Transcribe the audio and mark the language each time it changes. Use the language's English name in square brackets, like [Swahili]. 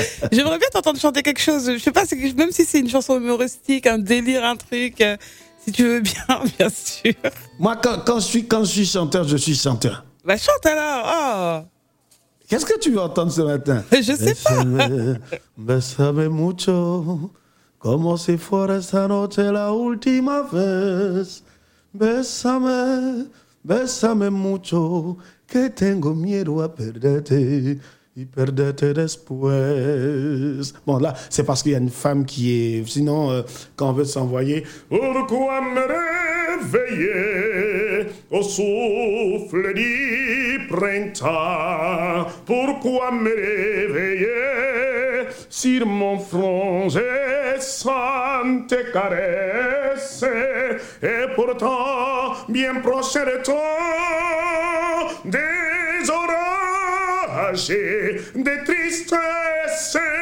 [French] J'aimerais bien t'entendre chanter quelque chose. Je sais pas, c'est, même si c'est une chanson humoristique, un délire, un truc, si tu veux bien, bien sûr. Moi, quand je suis chanteur, je suis chanteur. Bah, chante alors. Oh. Qu'est-ce que tu veux entendre ce matin? Je sais pas. [Spanish] Bésame mucho, como si fuera esta noche la última vez. Bésame, bésame mucho, que tengo miedo a perderte y perderte después. [French] Bon, là, c'est parce qu'il y a une femme qui est... Sinon, quand on veut s'envoyer... Pourquoi me réveiller au souffle du printemps? Pourquoi me réveiller sur mon front j'essante caresse, et pourtant bien proche de toi des orages, des tristesses?